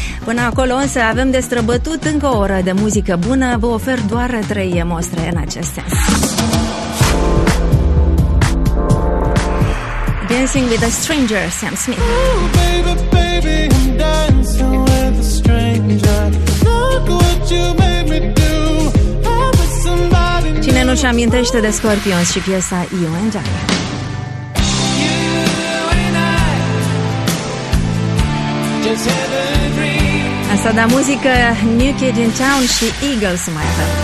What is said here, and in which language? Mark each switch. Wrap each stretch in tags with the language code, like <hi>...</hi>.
<ro>Până acolo însă avem de străbătut încă o oră de muzică bună, vă ofer doar trei mostre în acest sens.</ro> <en>Dancing with a Stranger, Sam Smith. Ooh, baby, baby, I'm dancing with a stranger. Look what you made me do. I'm with somebody new.</en> <ro>Cine nu-și amintește de Scorpions și piesa You and I?</ro> <en>You and I just have a dream.</en> <ro>Asta da muzică New Kid in Town și Eagles mai avem.</ro>